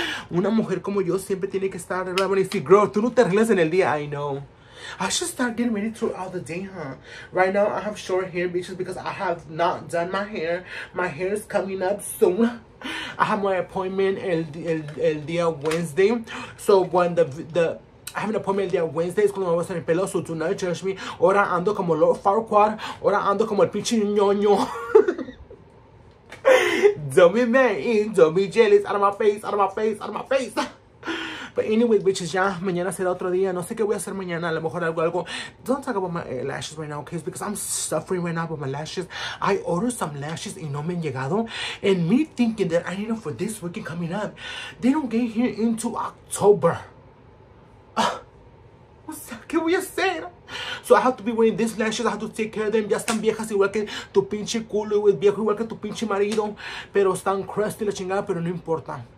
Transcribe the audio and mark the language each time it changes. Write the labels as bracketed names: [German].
[Spanish] Una mujer como yo siempre tiene que estar arreglada. Y si, girl, tú no te arreglas en el día. [English] I know. I should start getting ready throughout the day, huh? Right now, I have short hair, bitches, because I have not done my hair. My hair is coming up soon. I have my appointment [Spanish] el día [English] Wednesday. So, when I have an appointment [Spanish] el día [English] Wednesday, [Spanish] es cuando me voy a hacer el pelo. [English] So, do not judge me. [Spanish] Ahora ando como Lord Farquaad. Ahora ando como el pinche ñoño. [English] Don't be mad, don't be jealous. Out of my face, out of my face, out of my face. But anyway, bitches, [Spanish] ya mañana será otro día. No sé qué voy a hacer mañana. A lo mejor algo. [English] Don't talk about my lashes right now, kids, because I'm suffering right now with my lashes. I ordered some lashes [Spanish] y no me han llegado. [English] And me thinking that I need them for this weekend coming up. They don't get here into October. [Spanish] ¿Qué voy a hacer? [English] So I have to be wearing these lashes. I have to take care of them. [Spanish] Ya están viejas igual que tu pinche culo. Es viejo igual que tu pinche marido. Pero están crusty la chingada, pero no importa.